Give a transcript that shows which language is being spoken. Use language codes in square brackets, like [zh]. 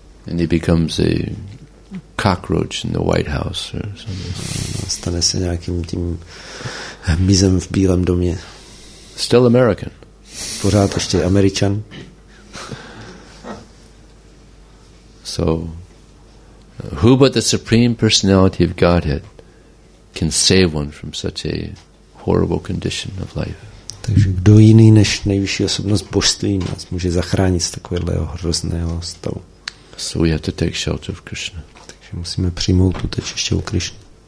[en] And he becomes a cockroach in the White House or something. [cs] A stane se nějakým tím hmyzem v Bílém domě. [en] Still American. [cs] Pořád ještě Američan. [en] So, who but the Supreme Personality of Godhead can save one from such a horrible condition of life? [cs] Takže kdo jiný než nejvyšší osobnost božství nás může zachránit z takového hrozného stavu? [en] So we have to take shelter of Krishna. [cs] Takže musíme přijmout útočiště u Krishna.